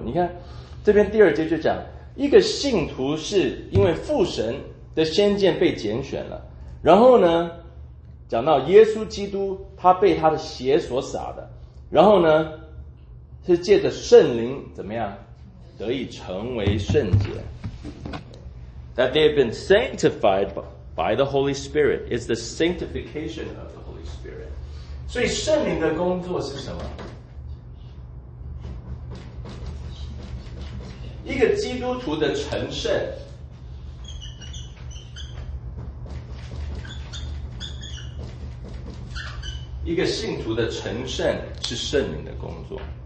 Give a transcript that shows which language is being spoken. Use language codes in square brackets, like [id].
[zh] 你看这边第二节就讲一个信徒是因为父神的先见被拣选了，然后呢讲到耶稣基督他被他的血所洒的，然后呢是借着圣灵怎么样得以成为圣洁。 [en] That they have been sanctified by the Holy Spirit is the sanctification of the Holy Spirit. [zh] 所以圣灵的工作是什么？一个基督徒的成圣，一个信徒的成圣是圣灵的工作。